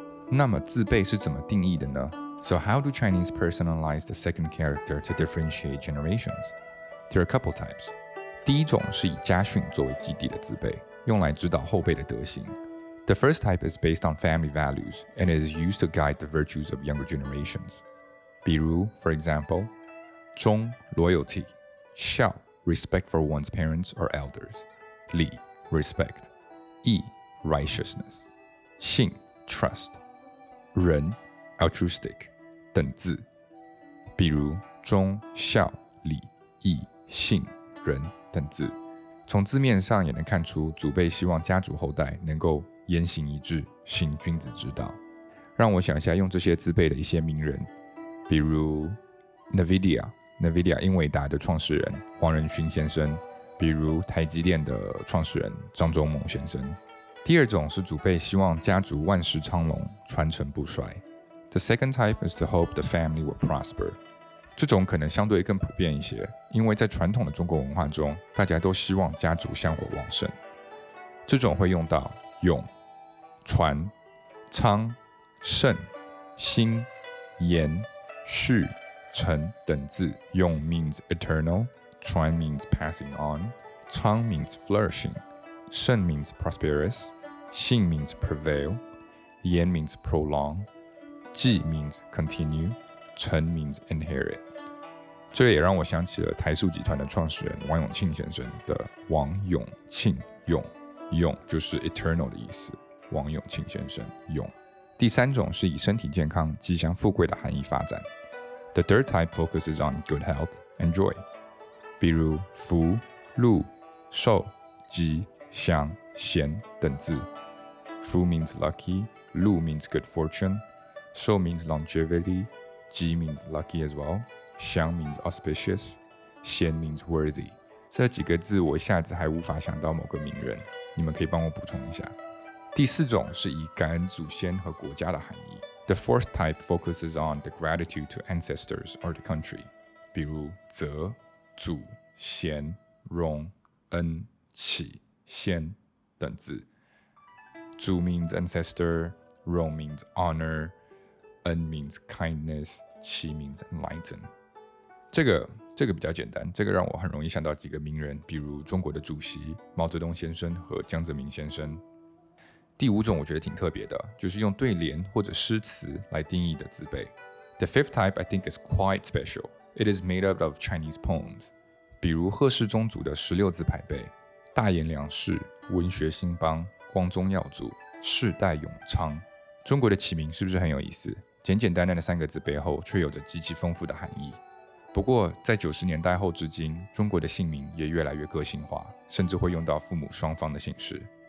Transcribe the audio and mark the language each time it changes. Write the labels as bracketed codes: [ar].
[zh] 那么字辈是怎么定义的呢？ [en] So how do Chinese personalize the second character to differentiate generations? There are a couple types. [zh] 第一种是以家训作为基底的字辈，用来指导后辈的德行。 [en] The first type is based on family values and is used to guide the virtues of younger generations. [zh] 比如 [en] for example, 忠 loyalty, 孝 respect for one's parents or elders, 礼 respect, 义 righteousness, 信 trust, 仁 altruistic, [zh] 等字。比如忠、孝、礼、义、信、仁等字。从字面上也能看出祖辈希望家族后代能够言行一致，行君子之道。让我想一下用这些字辈的一些名人，比如 NVIDIA 英伟达的创始人黄仁勋先生，比如台积电的创始人张忠谋先生。第二种是祖辈希望家族万事昌隆，传承不衰。 [en] The second type is to hope the family will prosper. [zh] 这种可能相对更普遍一些，因为在传统的中国文化中，大家都希望家族香火旺盛。这种会用到永、传、昌、盛、兴、延、续、成等字。 [en] 永 means eternal, 传 means passing on, 昌 means flourishing, 盛 means prosperous, 兴 means prevail, 延 means prolong, 继 means continue,成 means inherit. [zh] 这也让我想起了台塑集团的创始人王永庆先生的王永庆，永永就是 eternal 的意思，王永庆先生永。第三种是以身体健康吉祥富贵的含义发展。 [en] The third type focuses on good health and joy. [zh] 比如福禄寿吉祥、贤等字。 [en] 福 means lucky， 禄 means good fortune， 寿 means longevity， 吉 means lucky as well， 祥 means auspicious， 贤 means worthy。 [zh] 这几个字我一下子还无法想到某个名人，你们可以帮我补充一下。第四种是以感恩祖先和国家的含义。 [en] The fourth type focuses on the gratitude to ancestors or the country， [zh] 比如泽、祖、贤、荣、恩、启、先等字。 [en] 祖 means ancestor， 荣 means honor， 恩 means kindness， 启 means enlighten。 [zh] 这个比较简单，这个让我很容易想到几个名人，比如中国的主席毛泽东先生和江泽民先生。第五种我觉得挺特别的，就是用对联或者诗词来定义的自卑。 [en] The fifth type I think is quite special. It is made up of Chinese poems. [zh] 比如赫氏宗族的十六字牌碑，大言良氏，文学兴邦，光宗耀祖，世代永昌。中国的起名是不是很有意思？简简单单的三个字背后却有着极其丰富的含义。不过在90年代后至今，中国的姓名也越来越个性化，甚至会用到父母双方的姓氏。